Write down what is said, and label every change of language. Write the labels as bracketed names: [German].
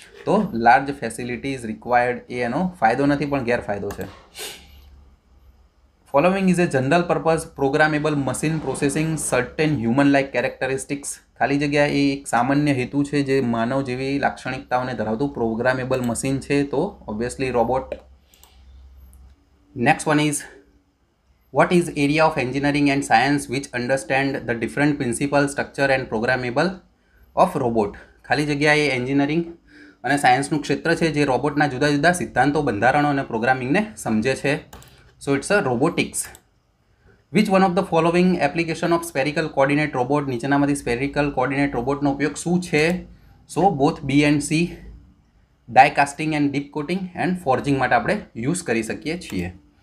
[Gujarati] તો large facilities required એનો ફાયદો નથી પણ ગેરફાયદો છે. [English] Following is a general purpose programmable machine processing certain human like characteristics. [Gujarati] ખાલી જગ્યા એ એક સામાન્ય હેતુ છે જે માનવ જેવી લાક્ષણિકતાઓને ધરાવતું પ્રોગ્રામેબલ મશીન છે, તો obviously robot. [English] Next one is, what is area of engineering and science which understand the different principles, structure and programmable of robot? [Gujarati] ખાલી જગ્યાએ એન્જિનિયરિંગ અને સાયન્સનું ક્ષેત્ર છે જે રોબોટના જુદા જુદા સિદ્ધાંતો, બંધારણો અને પ્રોગ્રામિંગને સમજે છે. [English] So it's a robotics. Which one of the following application of spherical coordinate robot. [Gujarati] નીચેનામાંથી સ્ફેરિકલ કોઓર્ડિનેટ રોબોટનો ઉપયોગ શું છે? [English] so both BNC, die casting and dip coating and forging [Gujarati] માટે આપણે યુઝ કરી શકીએ છીએ.